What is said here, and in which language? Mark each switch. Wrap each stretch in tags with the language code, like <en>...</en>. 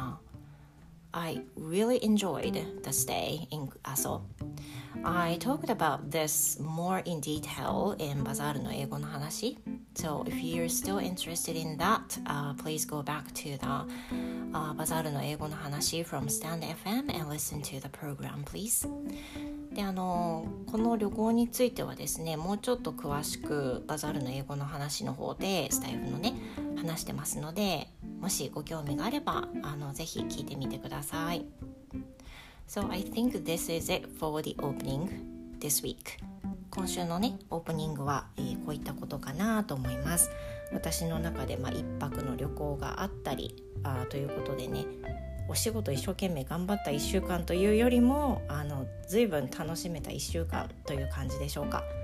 <en>Yeah, I really enjoyed the stay in Aso. I talked about this more in detail in Bazaar の英語の話。 So if you're still interested in that, please go back to the Bazaar の英語の話 from Stand FM and listen to the program, please.</en> <ja>で、この旅行についてはですね、もうちょっと詳しく Bazaar の英語の話の方でスタイフのね、話してますので、もしご興味があれば、ぜひ聞いてみてください。</ja> <en>So I think this is it for the opening this week.</en> <ja>今週のね、オープニングは、こういったことかなと思います。私の中で、一泊の旅行があったりということでね、お仕事一生懸命頑張った1週間というよりも、随分楽しめた1週間という感じでしょうか。</ja>